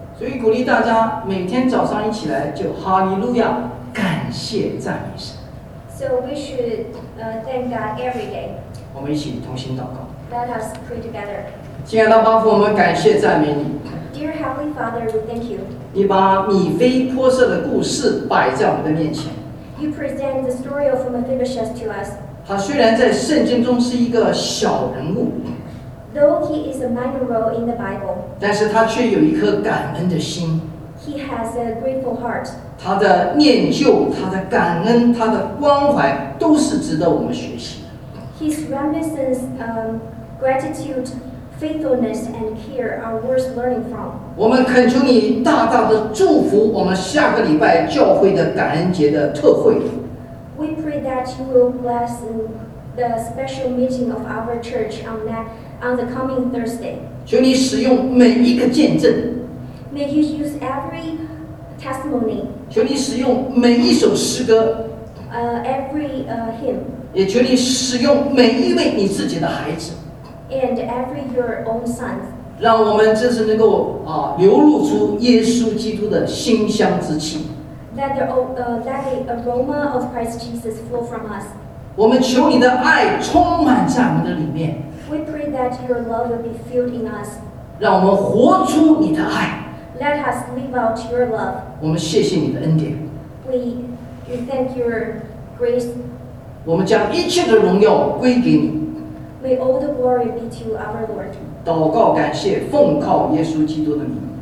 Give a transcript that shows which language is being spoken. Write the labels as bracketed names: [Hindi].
[Chinese] 所以鼓励大家每天早上一起来就哈利路亚，感谢赞美神。 [English] So we should thank God every day. [Chinese] 我们一起同心祷告。 [English] Let us pray together. [Chinese] 亲爱的巴父，我们感谢赞美你。 [English] Dear Heavenly Father, we thank you. [Chinese] 你把米非波设的故事摆在我们的面前。 [English] You present the story of Mephibosheth to us. [Chinese] 他虽然在圣经中是一个小人物， [English] though he is a minor role in the Bible, [Chinese] 但是他却有一颗感恩的心。 [English] He has a grateful heart. [Chinese] 他的念旧、他的感恩、他的关怀，都是值得我们学习的。 [English] His reminiscence, gratitude. Faithfulness and care are worth learning from. [Chinese] 我们恳求你大大的祝福我们下个礼拜教会的感恩节的特会。 [English] We pray that you will bless the special meeting of our church on the coming Thursday. [Chinese] 求你使用每一个见证。 [English] May you use every testimony. [Chinese] 求你使用每一首诗歌。 [English] Every hymn. [Chinese] 也求你使用每一位你自己的孩子。 [English] And every your own son. [Chinese] 让我们真是能够流露出耶稣基督的馨香之气。 [English] Let the aroma of Christ Jesus flow from us. [Chinese] 我们求你的爱充满在我们的里面。 [English] We pray that your love will be filled in us. [Chinese] 让我们活出你的爱。 [English] Let us live out your love. [Chinese] 我们谢谢你的恩典。 [English] We thank your grace. [Chinese] 我们将一切的荣耀归给你。 [English] May all the glory be to our Lord. [Chinese] 祷告感谢，奉靠耶稣基督的名。